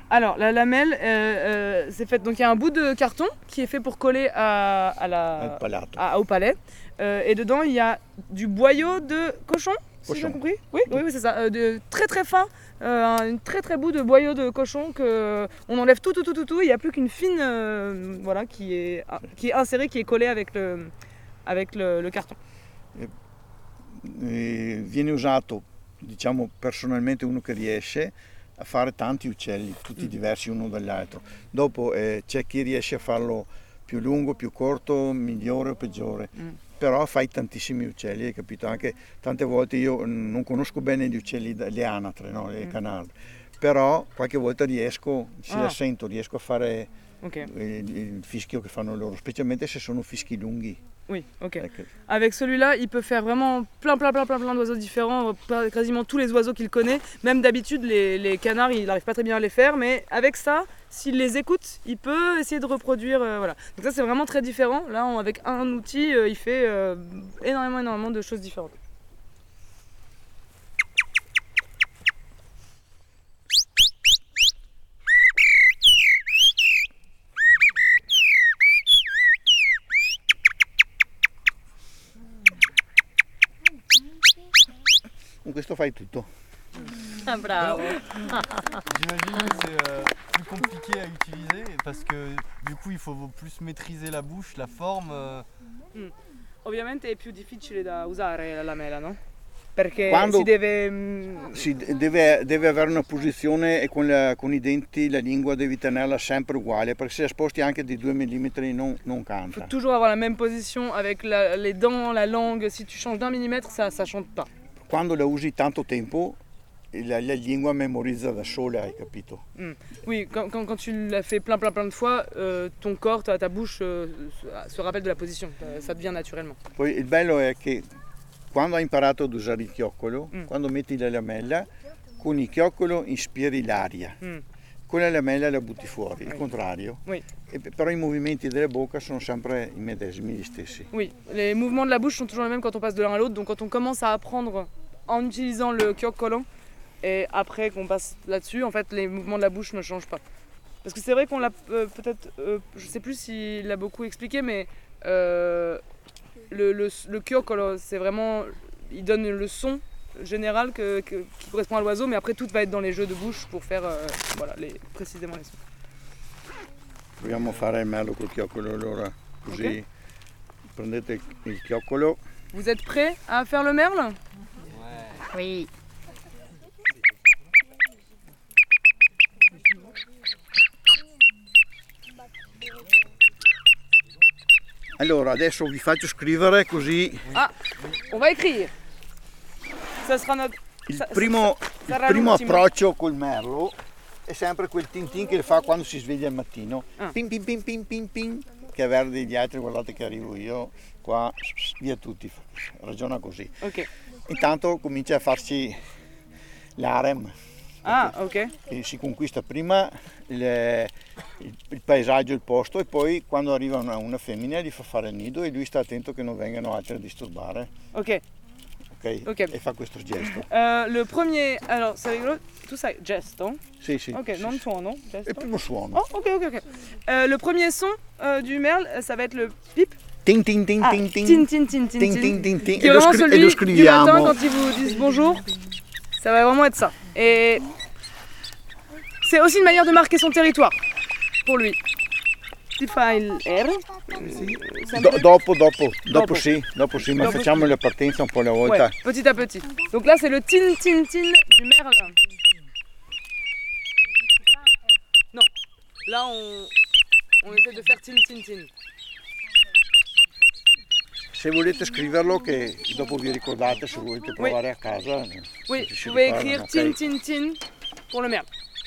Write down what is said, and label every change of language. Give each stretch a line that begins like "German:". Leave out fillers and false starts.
French: Allora, la lamelle, c'est fait, donc il y a un bout de carton qui est fait pour coller au palais. Et dedans, il y a du boyau de cochon, si j'ai compris. Oui, c'est ça. De très très fin, un très très bout de boyau de cochon que on enlève tout. Il n'y a plus qu'une fine, qui est insérée, qui est collée avec le carton.
Italian: Viene usato, diciamo, personalmente uno che riesce a fare tanti uccelli, tutti diversi uno dall'altro. Dopo c'è chi riesce a farlo più lungo, più corto, migliore o peggiore. Però fai tantissimi uccelli, hai capito? Anche tante volte io non conosco bene gli uccelli, le anatre, no? Le canarie. Però qualche volta riesco, riesco a fare il fischio che fanno loro, specialmente se sono fischi lunghi.
French: Oui, ok. Avec celui-là, il peut faire vraiment plein d'oiseaux différents, quasiment tous les oiseaux qu'il connaît. Même d'habitude, les canards, il n'arrive pas très bien à les faire, mais avec ça, s'il les écoute, il peut essayer de reproduire. Voilà. Donc ça, c'est vraiment très différent. Là, avec un outil, il fait énormément de choses différentes.
Italian: Questo fai tutto. Bravo.
French: J'imagine que c'est plus compliqué à utiliser parce que du coup il faut plus maîtriser la bouche, la forme.
Italian: Ovviamente è più difficile da usare la lamella, no? Perché quando si deve avere una posizione e con i denti, la lingua devi tenerla sempre uguale, perché se la sposti anche di 2 mm non canta.
French: Faut toujours avoir la même position avec les dents, la langue, si tu changes d'un millimètre, ça chante pas.
Italian: Quando la usi tanto tempo, la lingua memorizza da sola, hai capito?
French: Oui, quand tu la fais plein de fois, ton corps, ta bouche se rappelle de la position, ça devient naturellement.
Italian: Poi il bello è che quando hai imparato ad usare il chioccolo, quando metti la lamella, con il chioccolo inspiri l'aria, con la lamella la butti fuori, il contrario.
French: Oui.
Italian: Però i movimenti della bocca sono sempre i medesimi, gli stessi.
French: Oui, les mouvements de la bouche sont toujours les mêmes quand on passe de l'un à l'autre. Donc quand on commence à apprendre en utilisant le chioccolo et après qu'on passe là-dessus, en fait, les mouvements de la bouche ne changent pas. Parce que c'est vrai qu'on l'a peut-être, je ne sais plus s'il l'a beaucoup expliqué, mais le chioccolo, c'est vraiment, il donne le son général qui correspond à l'oiseau, mais après tout va être dans les jeux de bouche pour faire précisément les sons.
Italian: Proviamo a fare il merlo col chioccolo allora, così prendete il chioccolo.
French: Vous êtes prêts à faire le merle? Oui.
Italian: Allora, adesso vi faccio scrivere così.
French: Ah, on va écrire. Ça sera notre...
Italian: Il primo approccio col merlo. È sempre quel tin tin che fa quando si sveglia al mattino. Pim pim pim pim pim pim. Che avere degli altri, guardate che arrivo io. Qua, via tutti. Ragiona così. Ok. Intanto comincia a farci l'harem. Ah, ok. E si conquista prima il paesaggio, il posto, e poi quando arriva una femmina gli fa fare il nido e lui sta attento che non vengano altri a disturbare. Ok. Okay. Okay. E fa questo gesto.
French: Le premier, alors c'est rigolo, tu sais, gesto?
Italian: Sì, sì. Ok, non suono, gesto? Il primo suono. Oh, ok.
French: Le premier son du merle, ça va être le pip? Ting, ting, ting, ting, ting. Ting, ting, ting, ting, ting, ting, ting, ting. Et vraiment celui du matin, quand ils vous disent bonjour, ça va vraiment être ça. Et c'est aussi une manière de marquer son territoire, pour lui.
Italian: Ti fa il R? Dopo sì, ma facciamo la partenza un po' alla volta.
French: Ouais, petit à petit. Donc là c'est le tin tin tin du merle. Non, là on essaie de faire tin tin tin.
Italian: Se volete scriverlo, che dopo vi ricordate, se volete provare a casa.
French: Oui, vous pouvez écrire tin tin tin pour le merle.